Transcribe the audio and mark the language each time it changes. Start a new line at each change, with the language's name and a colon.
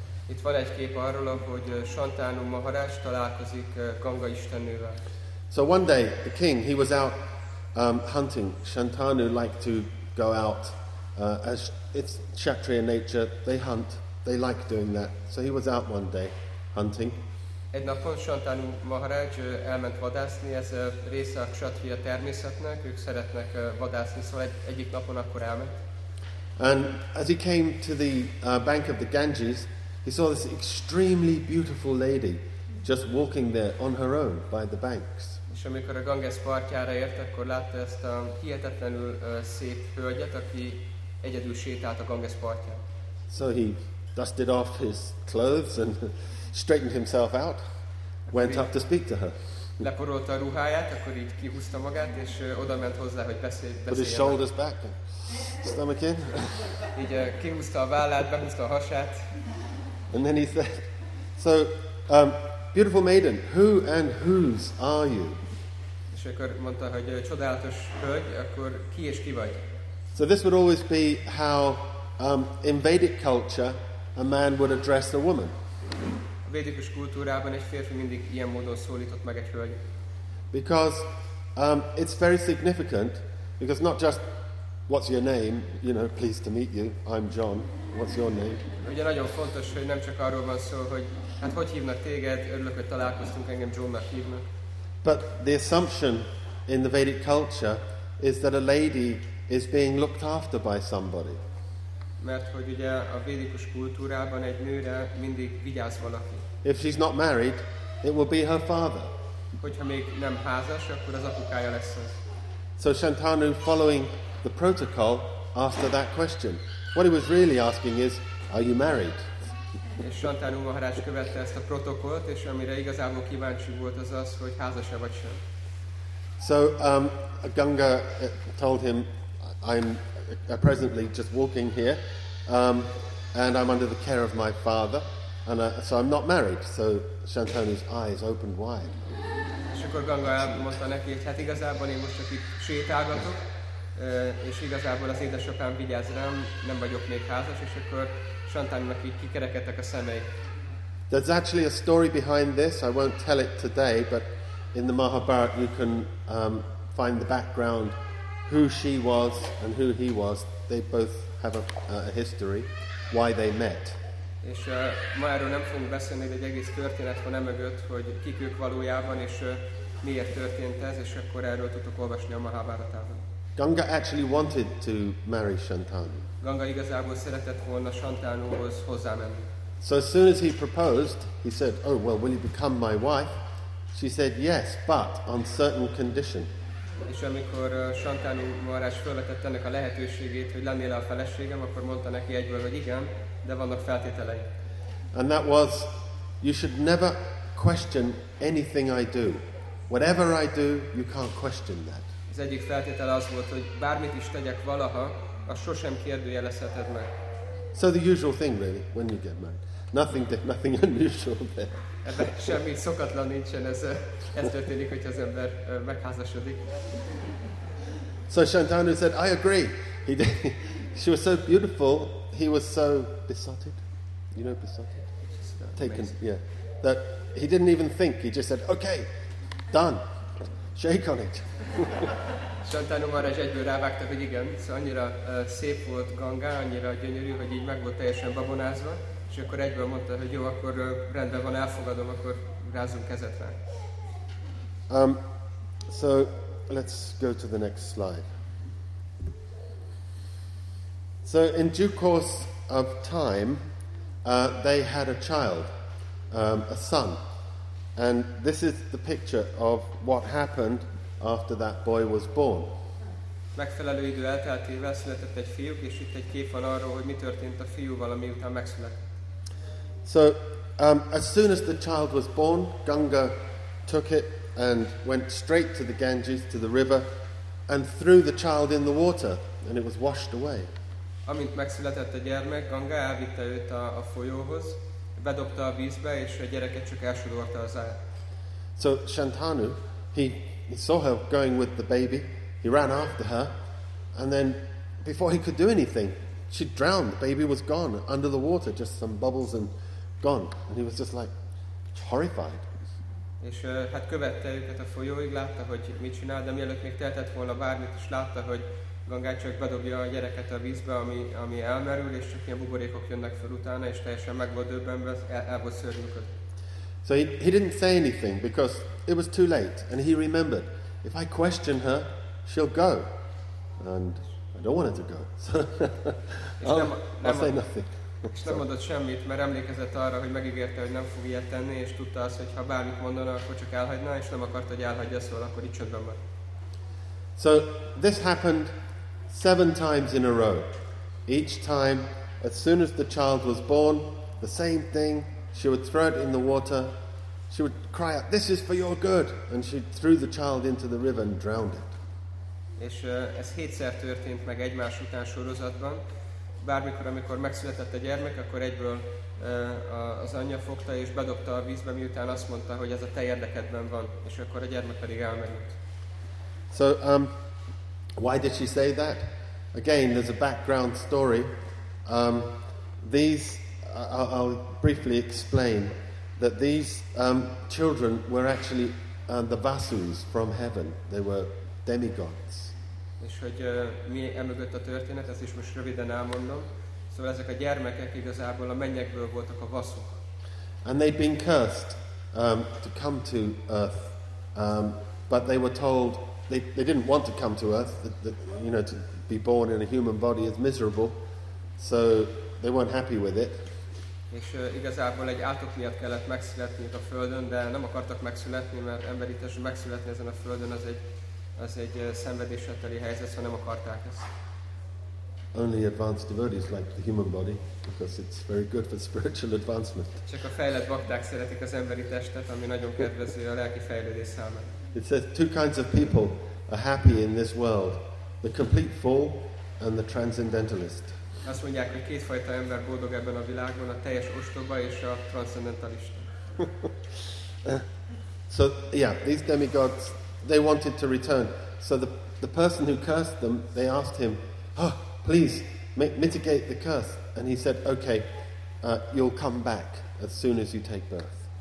Hungarian: Itt van egy kép arról, hogy Shantanu Maharaj találkozik Ganga istennővel.
English: So one day the king, he was out hunting. Shantanu liked to go out as it's Kshatriya nature, they hunt, they like doing that. So he was out one day hunting.
Hungarian: Egy napon Shantanu Maharaj elment vadászni, ez része a Kshatriya természetnek, ők szeretnek vadászni, szóval egyik napon akkor elment.
English: And as he came to the bank of the Ganges, he saw this extremely beautiful lady just walking there on her own by the banks.
Hungarian: És amikor a Ganges partjára ért, akkor látta ezt a hihetetlenül szép hölgyet, aki egyedül sétált a Ganges partján.
English: So he dusted off his clothes and straightened himself out, went up to speak to her.
Hungarian: Leporolta a ruháját, akkor így kihúzta magát, és oda ment hozzá, hogy beszéljen.
English: Put his shoulders back. Stomach in.
Hungarian: Így kihúzta a vállát, behúzta a hasát.
English: And then he said, so, beautiful maiden, who and whose are you?
Hungarian: És akkor mondta, hogy csodálatos hölgy, akkor ki és ki vagy?
English: So this would always be how in Vedic culture a man would address a woman.
Hungarian: A védikus kultúrában egy férfi mindig ilyen módon szólított meg egy hölgyet.
English: Because It's very significant because not just what's your name, you know, pleased to meet you, I'm John, what's your name?
Hungarian: Ugye nagyon fontos, hogy nem csak arról van szó, hogy hát hogy hívnak téged, örülök, hogy találkoztunk, engem Johnnak hívnak.
English: But the assumption in the Vedic culture is that a lady is being looked after by somebody.
Hungarian: Mert hogy ugye a védikus kultúrában egy nőre mindig vigyáz valaki.
English: If she's not married, it will be her father.
Hungarian: Hogyha még nem házas, akkor az apukája lesz az.
English: So Shantanu, following the protocol, asked that question. What he was really asking is, are you married?
Hungarian: És Shantanu Maharaj követte ezt a protokollt, és amire igazából kíváncsi volt az az, hogy házas-e vagy sem.
English: So Ganga told him, I'm presently just walking here, and I'm under the care of my father, and so I'm not married. So Shantanu's eyes opened wide.
Hungarian: És akkor Ganga mondta neki, hogy hát igazából én most csak itt sétálgatok, és igazából az édesapám vigyáz rám, nem vagyok még házas, és akkor Shantanunak így kikerekedtek a szemei.
English: There's actually a story behind this, I won't tell it today, but in the Mahabharata you can find the background, who she was and who he was. They both have a history, why they met.
Hungarian: És ma erről nem fogunk beszélni, de egy egész történet van emögött, hogy kik ők valójában, és miért történt ez, és akkor erről tudtok olvasni a Mahabharatában.
English: Ganga actually wanted to marry Shantanu.
Hungarian: Ganga igazából szeretett volna Shantanuhoz hozzámenni.
English: So as soon as he proposed, he said, oh, well, will you become my wife? She said, yes, but on certain condition.
Hungarian: És amikor Shantanu Maharaj felvetett ennek a lehetőségét, hogy lennél a feleségem, akkor mondta neki egyből, hogy igen, de vannak feltételei.
English: And that was, you should never question anything I do. Whatever I do, you can't question that.
Hungarian: Az egyik feltétele az volt, hogy bármit is tegyek valaha, az sosem kérdőjelezheted meg.
English: So the usual thing really, when you get married. Nothing unusual there.
Hungarian: Ebben semmi szokatlan nincsen, ez történik, hogyha az ember megházasodik.
English: So Shantanu said, I agree. He did. She was so beautiful, he was so besotted. You know besotted? Taken, amazing. Yeah. That he didn't even think, he just said, okay, done. Shake on it.
Hungarian: Shantanu Maharaj egyből rávágta, hogy igen. Szóval annyira szép volt Ganga, annyira gyönyörű, hogy így meg volt teljesen babonázva. És akkor egyből mondta, hogy jó, akkor rendben van, elfogadom, akkor rázunk kezet rá.
English: So, let's go to the next slide. So, in due course of time, they had a child, a son. And this is the picture of what happened after that boy was born.
Hungarian: Megfelelő idő elteltével született egy fiúk, és itt egy kép van arról, hogy mi történt a fiúval, ami után megszületett.
English: So, as soon as the child was born, Ganga took it and went straight to the Ganges, to the river, and threw the child in the water, and it was washed away.
Hungarian: Amint megszületett a gyermek, Ganga elvitte őt a folyóhoz, bedobta a vízbe, és a gyereket csak elsodorta az áll.
English: So, Shantanu, he saw her going with the baby, he ran after her, and then, before he could do anything, she drowned, the baby was gone, under the water, just some bubbles and gone, and he was just like horrified.
Hungarian: És hát követte őket a folyóig, látta, hogy mit csinál, de mielőtt még tehetett volna bármit, és látta, hogy Ganga csak bedobja a gyereket a vízbe, ami elmerül, és csak ilyen buborékok jönnek fel utána, és teljesen meg volt döbbenve, el volt szörnyűködve.
English: So he didn't say anything because it was too late, and he remembered, if I question her, she'll go, and I don't want her to go. So I'll say nothing.
Hungarian: És nem mondott semmit, mert emlékezett arra, hogy megígérte, hogy nem fog ilyet tenni, és tudta azt, hogy ha bármit mondana, akkor csak elhagyna, és nem akart, hogy elhagyja, szóval akkor így csöndben van.
English: So this happened 7 times in a row. Each time, as soon as the child was born, the same thing, she would throw it in the water, she would cry out, this is for your good, and she threw the child into the river and drowned it.
Hungarian: És ez 7-szer történt meg egymás után sorozatban. Bármikor, amikor megszületett a gyermek, akkor egyből az anyja fogta és bedobta a vízbe, miután azt mondta, hogy ez a te érdekedben van, és akkor a gyermek pedig elmerült.
English: So, why did she say that? Again, there's a background story. I'll briefly explain that these children were actually and the Vasus from heaven. They were demigods.
Hungarian: És hogy mi emögött a történet, ezt is most röviden elmondom. Szóval ezek a gyermekek igazából a mennyekből voltak a vasok.
English: And they'd been cursed to come to earth, but they were told they didn't want to come to earth. To be born in a human body is miserable, so they weren't happy with it.
Hungarian: És igazából egy átok miatt kellett megszületni a földön, de nem akartak megszületni, mert emberi testben megszületni ezen a földön az egy szenvedésteli helyzet, szóval nem akarták ezt.
English: Only advanced devotees like the human body, because it's very good for spiritual advancement.
Hungarian: Csak a fejlett bakták szeretik az emberi testet, ami nagyon kedvező a lelki fejlődés számára.
English: It says two kinds of people are happy in this world: the complete fool and the transcendentalist.
Hungarian: Azt mondják, hogy kétfajta ember boldog ebben a világban: a teljes ostoba és a transzendentalista.
English: So yeah, these demigods, they wanted to return. So the person who cursed them, they asked him, oh, please mitigate the curse. And he said, okay, you'll come back as soon as you take birth.